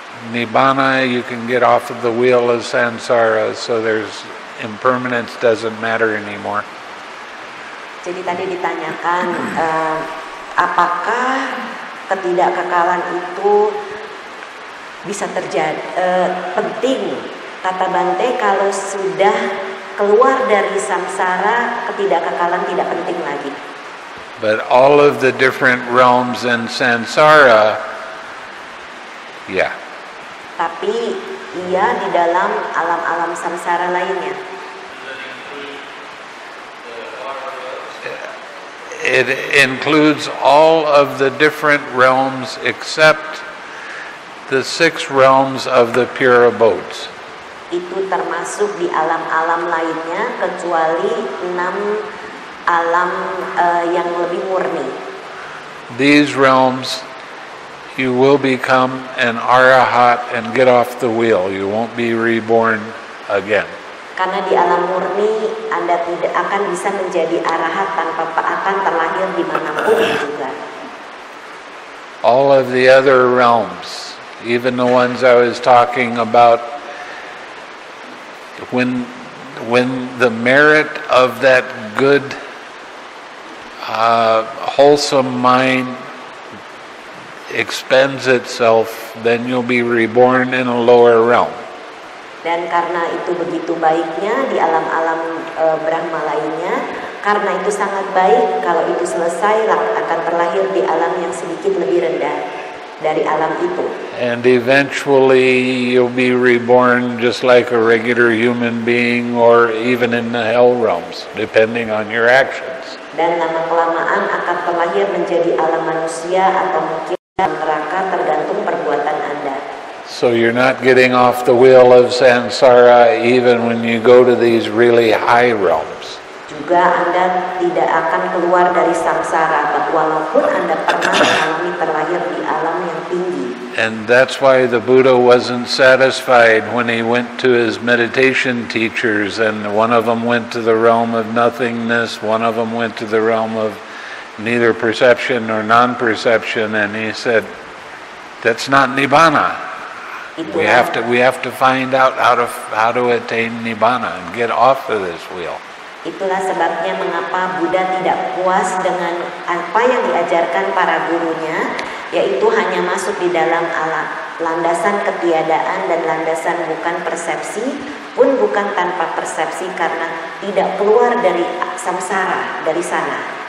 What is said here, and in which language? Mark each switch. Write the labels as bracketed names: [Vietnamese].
[English] Nibbana, you can get off of the wheel of samsara, so there's impermanence doesn't matter anymore. [Indonesian] Jadi tadi ditanyakan apakah ketidakkekalan itu bisa terjadi penting kata Bhante kalau sudah keluar dari samsara ketidakkekalan tidak penting lagi. [English] But all of the different realms in samsara, yeah. [Indonesian] Tapi ia di dalam alam-alam samsara lainnya. [English] It includes all of the different realms except the six realms of the pure abodes. [Indonesian] Itu termasuk di alam-alam lainnya kecuali enam alam yang lebih murni. [English] These realms, you will become an arahat and get off the wheel. You won't be reborn again. [Indonesian] Karena di alam murni, Anda tidak akan bisa menjadi arahat tanpa akan terlahir di manapun juga. [English] All of the other realms, even the ones I was talking about, when the merit of that good wholesome mind expends itself, then you'll be reborn in a lower realm. [Indonesian] Dan karena itu begitu baiknya di alam-alam Brahma lainnya, karena itu sangat baik, kalau itu selesai, akan terlahir di alam yang sedikit lebih rendah dari alam itu. [English] And eventually you'll be reborn just like a regular human being or even in the hell realms, depending on your actions. [Indonesian] Dan lama-kelamaan akan terlahir menjadi alam manusia atau mungkin neraka tergantung perbuatan Anda. [English] So you're not getting off the wheel of samsara even when you go to these really high realms. [Indonesian] Juga Anda tidak akan keluar dari samsara walaupun Anda pernah mengalami terlahir di alam yang tinggi. [English] And that's why the Buddha wasn't satisfied when he went to his meditation teachers, and one of them went to the realm of nothingness, one of them went to the realm of neither perception nor non-perception, and he said, that's not Nibbana. We have to find out how to attain Nibbana and get off of this wheel. [Indonesian] Itulah sebabnya mengapa Buddha tidak puas dengan apa yang diajarkan para gurunya, yaitu hanya masuk di dalam alam landasan ketiadaan dan landasan bukan persepsi pun bukan tanpa persepsi karena tidak keluar dari samsara dari sana.